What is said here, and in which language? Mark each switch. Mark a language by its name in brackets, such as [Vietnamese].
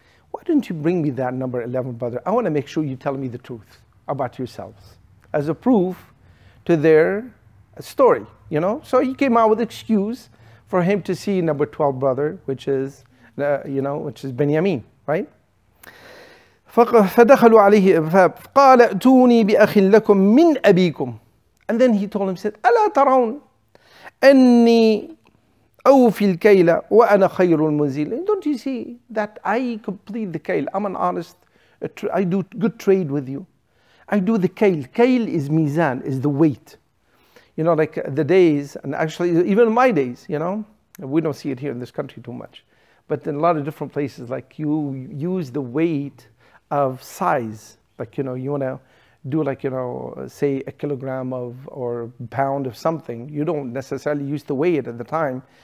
[English] Why don't you bring me that number 11 brother? I want to make sure you tell me the truth about yourselves as a proof to their story, you know? So he came out with an excuse for him to see number 12 brother, which is, you know, which is Benjamin, right? [Arabic] فَدَخَلُوا عَلَيْهِ فَقَالَ أَتُونِي بِأَخٍ لَكُمْ مِنْ أَبِيكُمْ [English] And then he told him, said, [Arabic] أَلَا تَرَوْنَ أَنِّي أَوْفِي الْكَيْلَ وَأَنَا خَيْرُ الْمُنْزِلِ [English] Don't you see that I complete the kail? I'm an honest, I do good trade with you. I do the kail. Kail is mizan, is the weight. You know, like the days, and actually even my days, you know, we don't see it here in this country too much. But in a lot of different places, like you use the weight of size, like, you know, you want to do, like, you know, say a kilogram of or pound of something, you don't necessarily used to weigh it at the time.